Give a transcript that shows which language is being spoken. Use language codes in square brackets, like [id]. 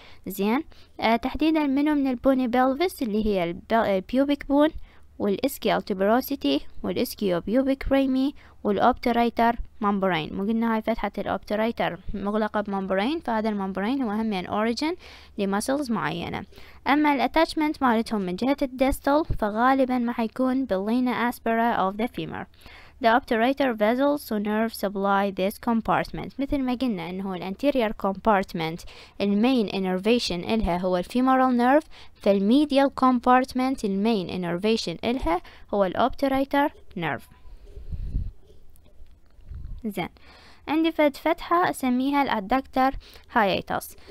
[ar] زين، تحديدا منو من البوني بيلفس اللي هي البيوبيك بون والاسكيال تبروسيتي والاسكيو بيوبيك ريمي والاوبتريتر ممبرين. مو قلنا هاي فتحة الاوبتريتر مغلقة بممبرين، فهذا الممبرين هو اهم اوريجين لمسلز معينة. اما الاتاتشمنت مالتهم من جهة الديستال فغالبا ما حيكون باللينا اسبرا اوف ذا فيمر. [en] The obturator vessels or nerve supply this compartment. [ar] مثل ما قلنا إنه هو anterior compartment المين innervation إلها هو الفيمورال نيرف، فالميديال compartment المين innervation إلها هو الobturator nerve. زين، عندي فد فتحة أسميها الأدكتر هايتس.